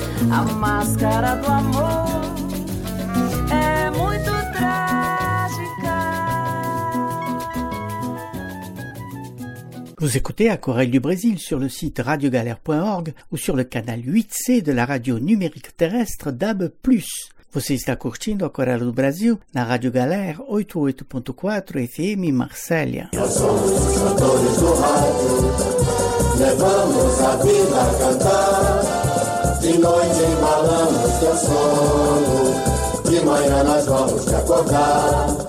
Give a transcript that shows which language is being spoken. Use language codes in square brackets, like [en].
[pt] A máscara do amor é muito trágica. [fr] Vous écoutez à Corée du Brésil sur le site radiogalère.org ou sur le canal 8C de la radio numérique terrestre DAB+. [pt] Você está curtindo a Coreia do Brasil na Rádio Galera 88.4 FM Marcélia. Nós somos os cantores do rádio, levamos a vida a cantar. De noite embalamos teu sono, de manhã nós vamos te acordar.